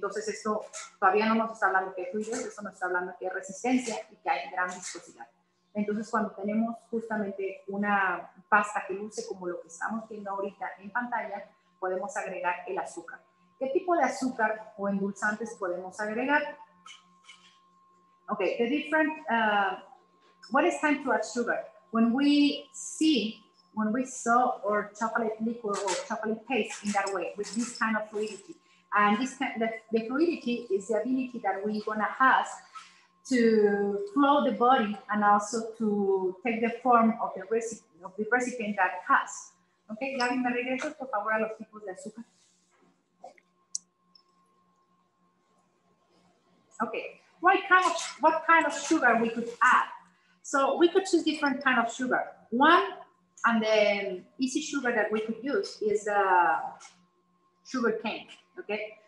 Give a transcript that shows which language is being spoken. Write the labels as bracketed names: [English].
[Spanish] Entonces eso todavía no nos está hablando que es fluidez, eso nos está hablando que es resistencia y que hay gran viscosidad. Entonces cuando tenemos justamente una pasta que luce como lo que estamos viendo ahorita en pantalla, podemos agregar el azúcar. ¿Qué tipo de azúcar o endulzantes podemos agregar? [English] Okay, the different, what is time to add sugar? When we saw our chocolate liquid or chocolate paste in that way, with this kind of fluidity. And this kind of, the fluidity is the ability that we're gonna have to flow the body and also to take the form of the recipient that has. [Spanish] Okay, Gaby, me regreso, por favor, a los tipos de azúcar. [English] Okay, what kind of sugar we could add? So we could choose different kind of sugar. One, and the easy sugar that we could use is sugar cane, okay?